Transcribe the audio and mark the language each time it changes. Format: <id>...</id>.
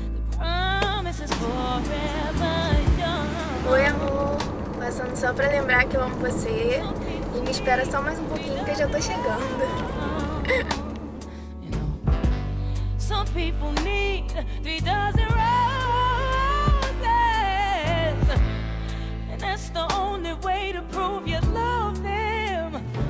<en>the promise is forever young.</en> <pt>Oi, amor, passando só pra lembrar que eu amo você. E me espera só mais um pouquinho que eu já tô chegando.</pt> <en>You know, some people need 3 dozen roses, and that's the only way to prove you love them.</en>